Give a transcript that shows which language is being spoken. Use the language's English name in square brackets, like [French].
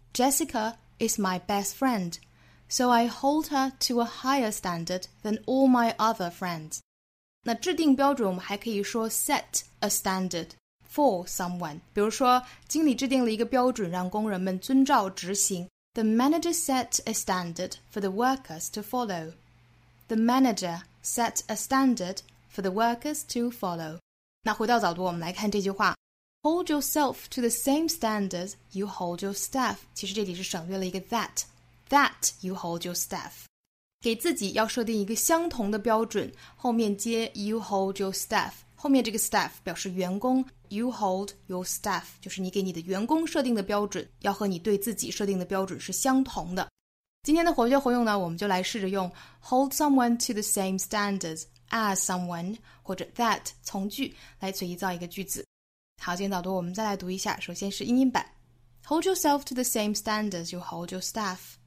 [English] Jessica is my best friend, so I hold her to a higher standard than all my other friends. [Chinese] 那制定标准我们还可以说 [English] set a standardfor someone. [Chinese] 比如说经理制定了一个标准让工人们遵照执行。 [English] The manager set a standard for the workers to follow. The manager set a standard for the workers to follow. [Chinese] 那回到早读我们来看这句话。 [English] Hold yourself to the same standards you hold your staff. [Chinese] 其实这里是省略了一个 that. [English] That you hold your staff. [Chinese] 给自己要设定一个相同的标准，后面接 [English] you hold your staff. [Chinese] 后面这个 staff 表示员工， [English] you hold your staff [Chinese] 就是你给你的员工设定的标准要和你对自己设定的标准是相同的。今天的活学活用呢，我们就来试着用 [English] hold someone to the same standards as someone [Chinese] 或者 that 从句来随意造一个句子。好，今天早读我们再来读一下，首先是英音版。 [English] Hold yourself to the same standards you hold your staff.